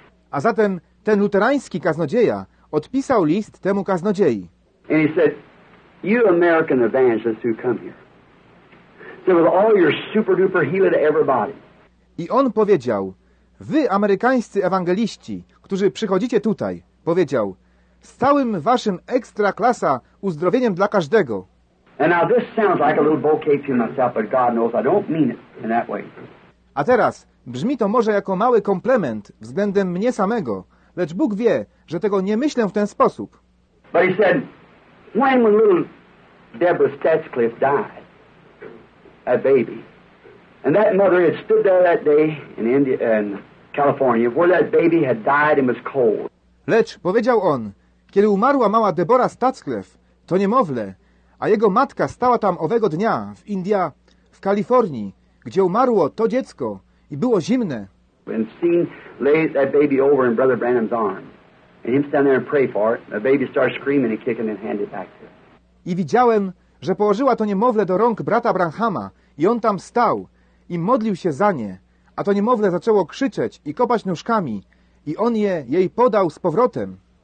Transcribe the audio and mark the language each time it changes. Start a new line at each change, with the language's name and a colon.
Polish: A zatem Ten luterański kaznodzieja odpisał list temu kaznodziei.
English: And he said, you American evangelists who come here, so with all your super duper healing to everybody.
Polish: I on powiedział, wy amerykańscy ewangeliści, którzy przychodzicie tutaj, powiedział, z całym waszym ekstra klasa uzdrowieniem dla każdego.
English: And now this sounds like a little bouquet to myself, but God knows I don't mean it in that way.
Polish: A teraz brzmi to może jako mały komplement względem mnie samego, lecz Bóg wie, że tego nie myślę w ten sposób.
English: But he said, when little Deborah Statcliffe died, a baby, and that mother had stood there that day in India, in California, where that baby had died and was cold.
Polish: Lecz powiedział on, kiedy umarła mała Deborah Statcliffe, to niemowlę, a jego matka stała tam owego dnia w India, w Kalifornii, gdzie umarło to dziecko i było zimne.
English: And seen lay that baby over in Brother Branham's arm, and him stand there and pray for it. The baby starts screaming and kicking and handed back to him.
Polish: I widziałem, że położyła to niemowlę do rąk brata Branhama i on tam stał i modlił się za nie, a to niemowlę zaczęło krzyczeć i kopać nóżkami i on je jej podał z powrotem.